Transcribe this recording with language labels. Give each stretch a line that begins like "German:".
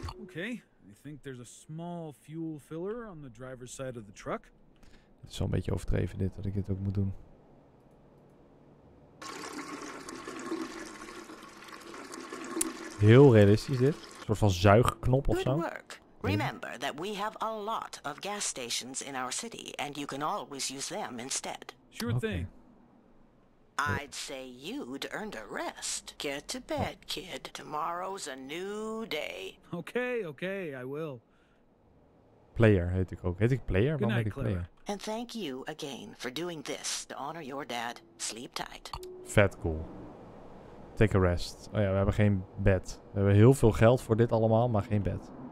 English: Oké, I think there's a small fuel filler on the driver's side of the truck.
Dutch: Het is wel een beetje overdreven dit, dat ik dit ook moet doen. Heel realistisch dit. Een soort van zuigknop of zo.
English: Remember that we have a lot of gas stations in our city and you can always use them instead. Sure thing. I'd say you'd earned a rest. Get to bed, kid. Tomorrow's a new day. Okay, I will.
Dutch: Player heet ik ook. Heet ik Player? Waarom heet ik Player?
English: And thank you again for doing this to honor your dad. Sleep tight.
Dutch: Vet cool.
English: Take a rest.
Dutch: Oh ja, we hebben geen bed. We hebben heel veel geld voor dit allemaal, maar geen bed.